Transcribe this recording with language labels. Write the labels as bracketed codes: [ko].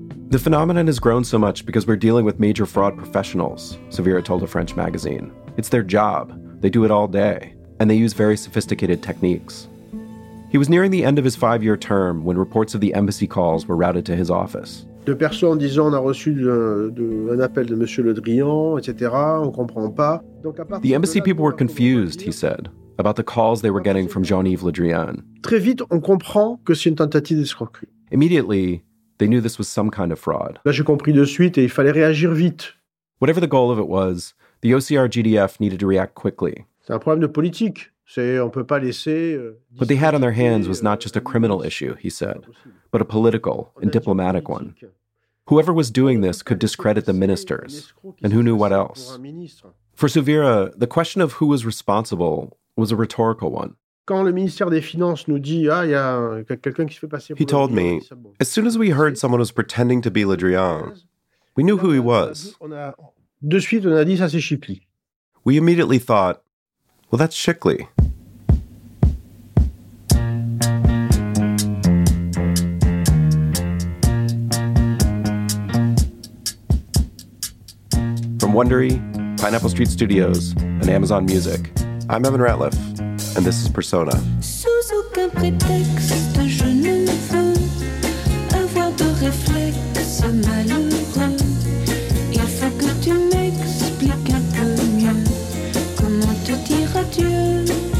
[en] The phenomenon has grown so much because we're dealing with major fraud professionals, Severa told a French magazine. It's their job. They do it all day. And they use very sophisticated techniques. He was nearing the end of his five-year term when reports of the embassy calls were routed to his office. [fr] De personnes disant on a reçu un appel de Monsieur Le Drian, etc. On comprend pas. [en] The embassy people were confused, he said, about the calls they were getting from Jean-Yves Le Drian. [fr] Très vite, on comprend que c'est une tentative d'escroquerie. [en] Immediately, they knew this was some kind of fraud. [fr] Là, j'ai compris de suite et il fallait réagir vite. [en] Whatever the goal of it was, the OCR-GDF needed to react quickly. [fr] C'est un problème de politique. On peut pas laisser, [en] what they had on their hands was not just a criminal issue, he said, but a political and diplomatic one. Whoever was doing this could discredit the ministers, and who knew what else. For Suvira, the question of who was responsible was a rhetorical one. [fr] Quand le ministère des Finances nous dit, ah, y a quelqu'un qui se fait passer pour [en] he told me, as soon as we heard someone was pretending to be Le Drian, we knew who he was. [fr] De suite, on a dit, ça c'est Chipley. [en] We immediately thought, well, that's Chicley. From Wondery, Pineapple Street Studios, and Amazon Music, I'm Evan Ratliff, and this is Persona. [fr] Sous aucun prétexte, je ne veux avoir de réflexe malheureux. Il faut que tu m'expliques un peu mieux. Comment te dire adieu?